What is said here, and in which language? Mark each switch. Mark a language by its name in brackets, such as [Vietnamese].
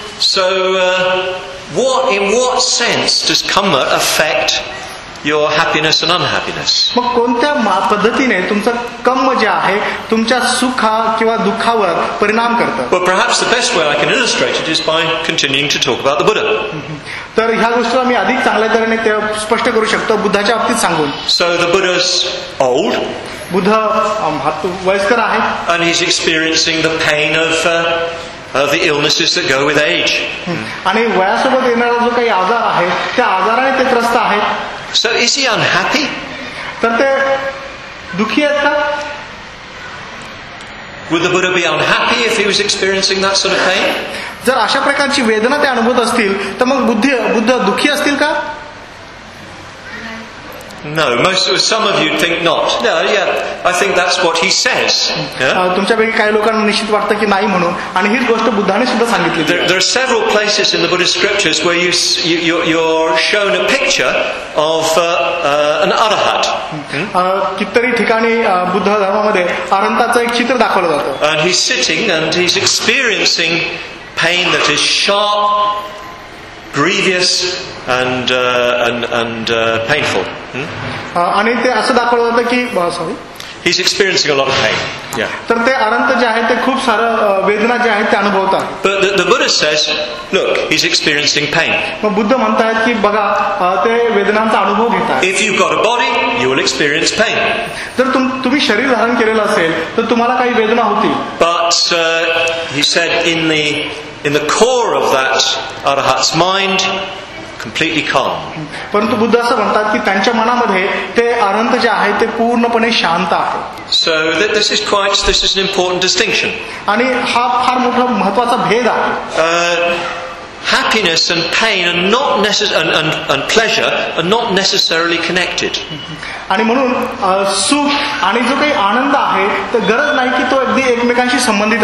[English] So what in what sense does karma affect your happiness and unhappiness. [Marathi] मग कोणत्या पद्धतीने तुमचं कर्म जे आहे तुमच्या सुख किंवा दुःखावर परिणाम करतं? [English] Well, perhaps the best way I can illustrate it is by continuing to talk about the Buddha. [Marathi] तर ह्या गोष्टीला मी अधिक चांगल्या तऱ्हेने स्पष्ट करू शकतो बुद्धाच्या बाबतीत सांगून. [English] So the Buddha is old. [Marathi] Buddha वयस्कर आहे. [English] And he's experiencing the pain of the illnesses that go with age. [Marathi] आणि वयासोबत येणारा जो काही आजार आहे त्या आजाराने ते त्रस्त आहेत. [English] So is he unhappy? [Marathi] तर ते दुखी आहेत का? [English] Would the Buddha be unhappy if he was experiencing that sort of pain? [Marathi] जर अशा प्रकारची वेदना ते अनुभवत असतील तर मग बुद्ध दुखी असतील का? [English] No, most of some of you think not. No, yeah, I think that's what he says. [Marathi] तुमच्यापैकी काही लोकांना निश्चित वाटतं की नाही म्हणून आणि हीच गोष्ट बुद्धाने सुद्धा सांगितली. [English] There are several places in the Buddhist scriptures where you're shown a picture of an arahat. [Marathi] कितीतरी ठिकाणी बुद्ध धर्मामध्ये अरहंताचं एक चित्र दाखवलं जातं. [English] And he's sitting and he's experiencing pain that is sharp, grievous and painful. [Marathi] आणि ते असं दाखवलं होतं की [English] he's experiencing a lot of pain. Yeah. [Marathi] तर ते अनंत जे आहे ते खूप सारं वेदना जे आहे ते अनुभवतात. [English] But the Buddha says, look, he's experiencing pain. [Marathi] मग बुद्ध म्हणतात की बघा ते वेदनांचा अनुभव घेत आहे. [English] If you've got a body, you will experience pain. [Marathi] जर तुम्ही शरीर धारण केलेलं असेल तर तुम्हाला काही वेदना होती. [English] But he said in the core of that arahat's mind, completely calm. [Marathi] परंतु बुद्ध असं म्हणतात की त्यांच्या मनामध्ये ते अनंत जे आहे ते पूर्णपणे शांत आहे. [English] So this is an important distinction. [Marathi] आणि हा फार मोठा महत्त्वाचा भेद आहे. [English] Happiness and pain are not and pleasure are not necessarily connected. [Marathi] आणि म्हणून सुख आणि जो काही आनंद आहे तो गरज नाही की तो अगदी एकमेकांशी संबंधित